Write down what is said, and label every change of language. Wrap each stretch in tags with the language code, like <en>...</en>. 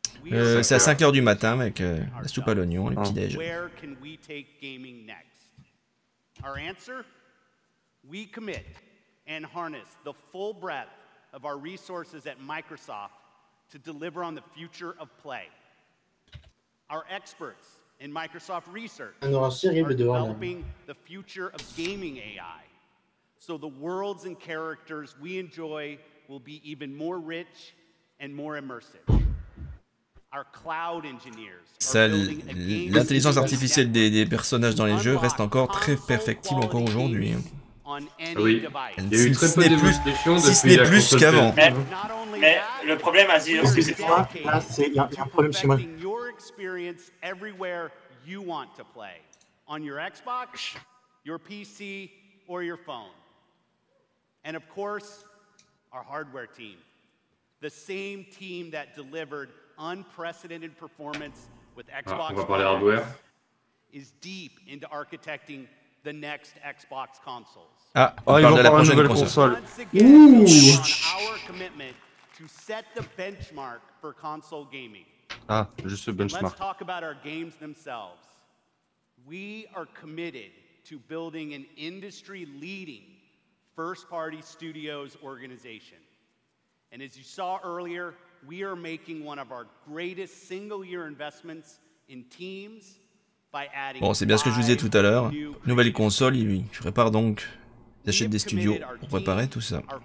<fr>C'est à 5h du matin avec la soupe à l'oignon, les petits déj.</fr> <en>Where can we take gaming next? Our answer? We commit and harness the full breadth of our resources at Microsoft to deliver on the future of play. Our experts in Microsoft Research, are developing the future of gaming AI. So the worlds and characters we enjoy will be even more rich and more immersive. Our cloud engineers are building a game.</en> <fr>L'intelligence artificielle des personnages dans les jeux reste encore très perfectible encore aujourd'hui. Oui, il y a eu très peu de discussions si ce n'est plus qu'avant. Mais le problème, Azir, c'est qu'il y a un problème chez moi.</fr> <en>Your experience everywhere you want to play, on your Xbox, your PC, or your phone. And of course, our hardware team. The same team that delivered unprecedented performance with Xbox One is deep into architecting the next Xbox consoles.</en> <fr>Ah, on parle de la prochaine console.</fr> <en>Our commitment to set the benchmark for console gaming.</en> <fr>Ah, juste le benchmark.</fr> <en>Let's talk about our games themselves. We are committed to building an industry-leading first-party studios organization. And as you saw earlier, we are making one of our greatest single-year investments in teams by adding.</en> <fr>Bon, c'est bien ce que je vous disais tout à l'heure. Nouvelle console, oui. Je prépare donc. J'achète des studios pour préparer tout ça.</fr>